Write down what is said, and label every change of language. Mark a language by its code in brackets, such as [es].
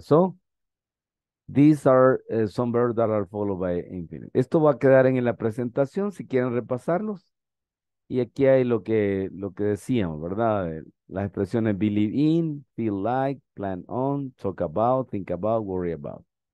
[en] So, these are some verbs that are followed by infinitive. [es] Esto va a quedar en la presentación, si quieren repasarlos. Y aquí hay lo que decíamos, ¿verdad? Las expresiones [en] believe in, feel like, plan on, talk about, think about, worry about.